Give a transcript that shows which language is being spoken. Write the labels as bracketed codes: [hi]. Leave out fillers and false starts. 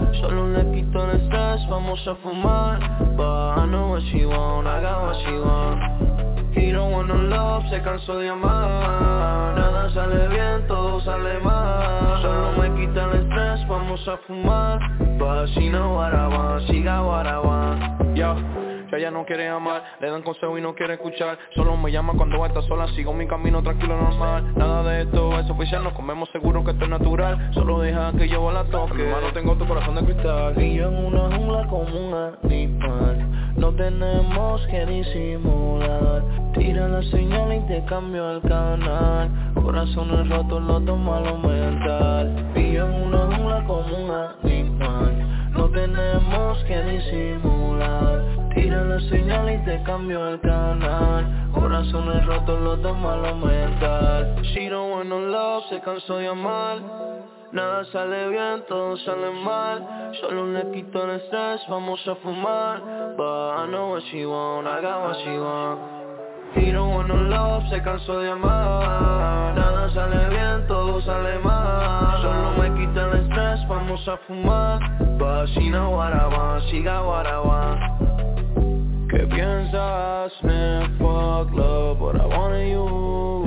[es] Solo le quito el estrés, vamos a fumar. [en] But I know what she want, I got what she want. He don't want no love, [es] se cansó de amar. Nada sale bien, todo sale mal. Solo me quita el estrés, vamos a fumar. [en] But she know what I want, she got what I want. Yo. [es] Que ella no quiere amar, le dan consejo y no quiere escuchar. Solo me llama cuando está sola, sigo mi camino tranquilo normal. Nada de esto es oficial, nos comemos seguro que esto es natural. Solo deja que yo la toque. En mi mano tengo tu corazón de cristal. Y yo en una jungla como un animal. No tenemos que disimular. Tira la señal y te cambio el canal. Corazones rotos, los dos malos mental. Y yo en una jungla como un animal. No tenemos que disimular. Tira la señal y te cambio el canal. Corazones rotos, los dos malos mental. [en] She don't want no love, [es] se cansó de amar. Nada sale bien, todo sale mal. Solo le quito el estrés, vamos a fumar. [en] But I know what she want, I got what she want. She don't want no love, [es] se cansó de amar. Nada sale bien, todo sale mal. Solo me quita el estrés, vamos a fumar. [en] But she know what I want, she got what I want. [es] ¿Qué piensas? [en] last name, fuck love, but I wanted you.